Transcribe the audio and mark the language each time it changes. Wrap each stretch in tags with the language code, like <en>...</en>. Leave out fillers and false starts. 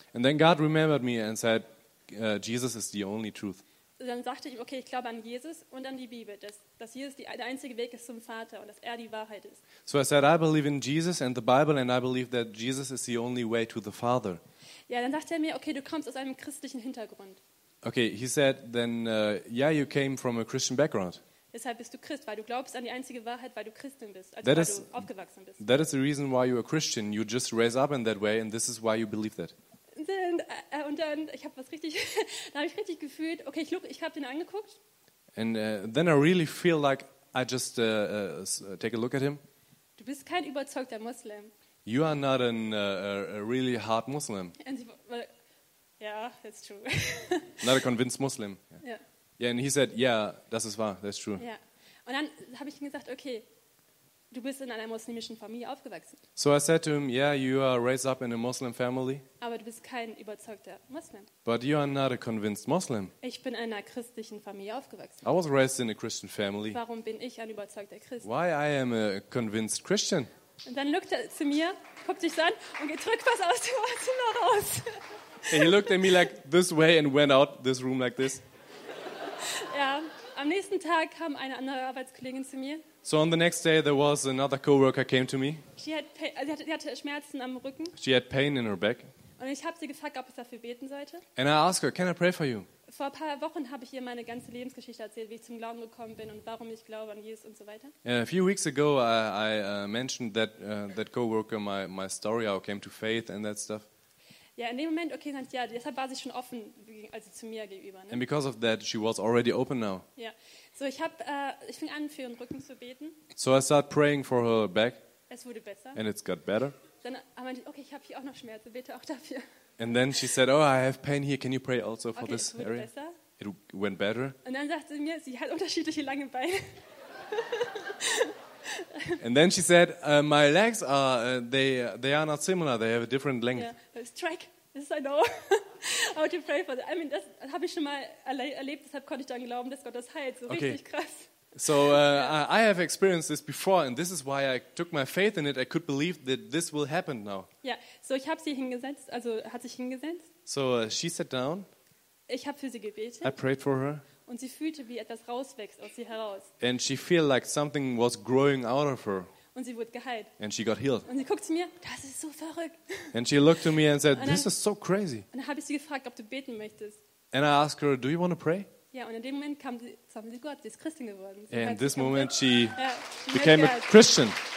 <en>And then God remembered me and said, Jesus is the only truth.</en> <de>Dann sagte ich, okay, ich glaube an Jesus und an die Bibel, dass Jesus der einzige Weg ist zum Vater und dass er die Wahrheit ist.</de> <en>So I said, I believe in Jesus and the Bible and I believe that Jesus is the only way to the Father.</en> <de>Ja, dann sagte er mir, okay, du kommst aus einem christlichen Hintergrund.</de> <en>Okay, he said, then, yeah, you came from a Christian background.</en> <de>Deshalb bist du Christ, weil du glaubst an die einzige Wahrheit, weil du Christin bist, also weil du aufgewachsen bist.</de> <en>That is the reason why you are Christian. You just raise up in that way and this is why you believe that.</en> <de>Dann habe ich richtig gefühlt. Okay, ich habe den angeguckt.</de> <en>And then I really feel like I just take a look at him.</en> <de>Du bist kein überzeugter Muslim.</de> <en>You are not a really hard Muslim. And sie, well, yeah, that's true. Not a convinced Muslim. Yeah. Yeah, and he said, yeah,</en> <de>das ist wahr,</de> <en>that's true. Yeah.</en> <de>Und dann habe ich ihm gesagt, okay, du bist in einer muslimischen Familie aufgewachsen.</de> <en>So I said to him, yeah, you are raised up in a Muslim family.</en> <de>Aber du bist kein überzeugter Muslim.</de> <en>But you are not a convinced Muslim.</en> <de>Ich bin in einer christlichen Familie aufgewachsen.</de> <en>I was raised in a Christian family.</en> <de>Warum bin ich ein überzeugter Christ?</de> <en>Why I am a convinced Christian.</en> <de>Und dann guckt er zu mir, guckt sich an und geht rückwärts aus dem Zimmer raus.</de> <en>And he looked at me like this way and went out this room like this.</en> <de>Ja, am nächsten Tag kam eine andere Arbeitskollegin zu mir.</de> <en>So on the next day there was another coworker came to me.</en> <de>Sie hatte Schmerzen am Rücken.</de> <en>She had pain in her back.</en> <de>Und ich habe sie gefragt, ob ich dafür beten sollte.</de> <en>And I asked her, can I pray for you?</en> <de>Vor ein paar Wochen habe ich ihr meine ganze Lebensgeschichte erzählt, wie ich zum Glauben gekommen bin und warum ich glaube an Jesus und so weiter.</de> <en>A few weeks ago I mentioned that coworker my story, how I came to faith and that stuff.</en> <de>Ja, in dem Moment, okay, sagt ja, deshalb war sie schon offen, also zu mir gegenüber. Ne?</de> <en>And because of that, she was already open now.</en> <de>Ja, so ich fing an, für ihren Rücken zu beten.</de> <en>So I started praying for her back.</en> <de>Es wurde besser.</de> <en>And it's got better.</en> <de>Dann meinte ich, okay, ich habe hier auch noch Schmerzen, bete auch dafür.</de> <en>And then she said, oh, I have pain here, can you pray also for this area?</en> <de>Okay, es wurde besser.</de> <en>It went better.</en> <de>Und dann sagte sie mir, sie hat unterschiedliche lange Beine.</de> <en>And then she said, my legs are they are not similar, they have a different length. Yeah. It's track. This is, I know. How to pray for that. I mean,</en> <de>das habe ich schon mal erlebt, deshalb konnte ich daran glauben, dass Gott das heilt, so okay. Richtig krass.</de> <en>So I have experienced this before and this is why I took my faith in it. I could believe that this will happen now. Yeah.</en> <de>So ich habe sie hingesetzt, also hat sich hingesetzt.</de> <en>So she sat down.</en> <de>Ich habe für sie gebetet.</de> <en>I prayed for her.</en> <de>Und sie fühlte, wie etwas rauswächst aus sie heraus.</de> <en>And she felt like something was growing out of her.</en> <de>Und sie wurde geheilt.</de> <en>And she got healed.</en> <de>Und sie guckte zu mir, das ist so verrückt.</de> <en>And she looked to me and said, this is so crazy.</en> <de>Und dann habe ich sie gefragt, ob du beten möchtest.</de> <en>And I asked her, do you want to pray?</en> <de>Ja, und in dem Moment kam sie Gott, sie ist Christin geworden.</de> <en>And in this moment she became a Christian.</en>